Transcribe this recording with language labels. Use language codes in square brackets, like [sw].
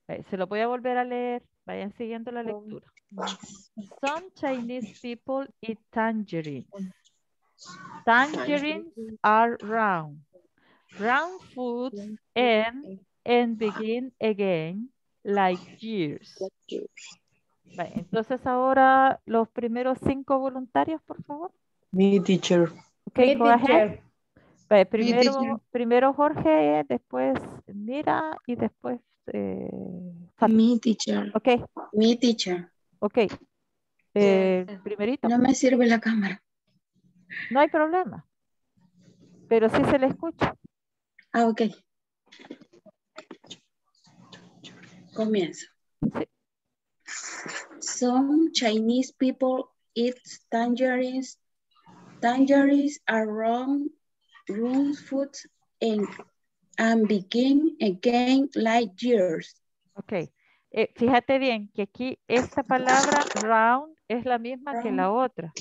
[es] Se lo voy a volver a leer. Vayan siguiendo la lectura. [en] Some Chinese people eat tangerines. Tangerines are round. Round foods end and begin again like years. [es] Vale, entonces ahora los primeros 5 voluntarios, por favor. [en] Me, teacher. Ok, me, go teacher. Ahead. Vale, primero Jorge, después Mira y después Mi teacher. Ok. Mi teacher. [es] Ok. Primerito. No me sirve la cámara. No hay problema. Pero sí se le escucha. Ah, ok. Comienzo. Sí. [en] Some Chinese people eat tangerines. Tangerines are round food and begin again like years. Ok. [es] Fíjate bien que aquí esta palabra round es la misma round. Que la otra.